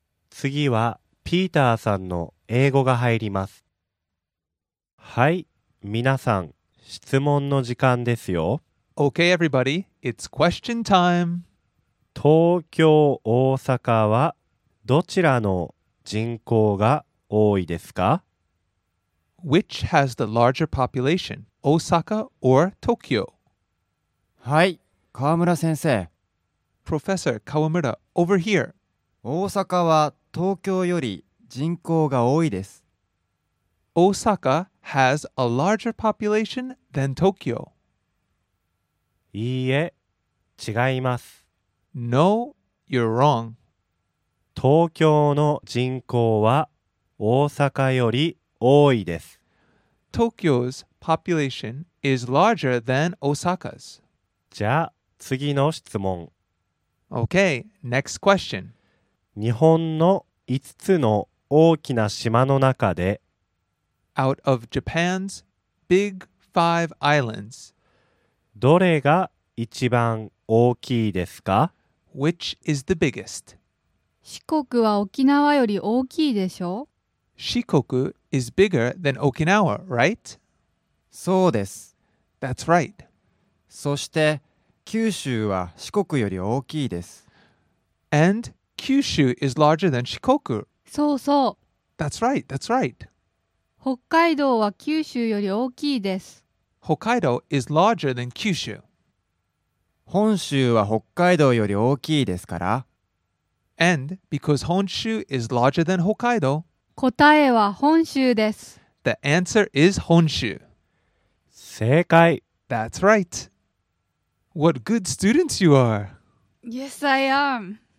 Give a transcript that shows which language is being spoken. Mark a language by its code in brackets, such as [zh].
[ja] 次はピーターさんの英語が入ります。はい、皆さん、質問の時間ですよ。 [en] Okay, everybody. It's question time. [ja] 東京、大阪はどちらの人口が多いですか？ [en] Which has the larger population, Osaka or Tokyo? [ja] はい、河村先生。 [en] Professor Kawamura, over here. [ja] 大阪は東京より人口が多いです。 [en] Osaka has a larger population than Tokyo. [ja] いいえ、違います。 [en] No, you're wrong. [ja] 東京の人口は大阪より多いです。 [en] Tokyo's population is larger than Osaka's. [ja] じゃあ、次の質問。 [en] Okay, next question. [ja] 日本の5つの大きな島の中で [en] Out of Japan's big five islands, [ja] どれが一番大きいですか? [en] Which is the biggest? [ja] 四国は沖縄より大きいでしょ? [en] 四国 is bigger than Okinawa, right? [ja] そうです。 [en] That's right. [ja] そして九州は四国より大きいです。 [en] And 九州 is larger than 四国。 [ja] そうそう。 [en] That's right, that's right. [ja] 北海道は九州より大きいです。 [en] Hokkaido is larger than 九州。 [ja] 本州は北海道より大きいですから。 [en] And because 本州 is larger than 北海道。 [ja] 答えは本州です。 [en] The answer is 本州。 [ja] 正解。 [en] That's right. What good students you are. Yes, I am.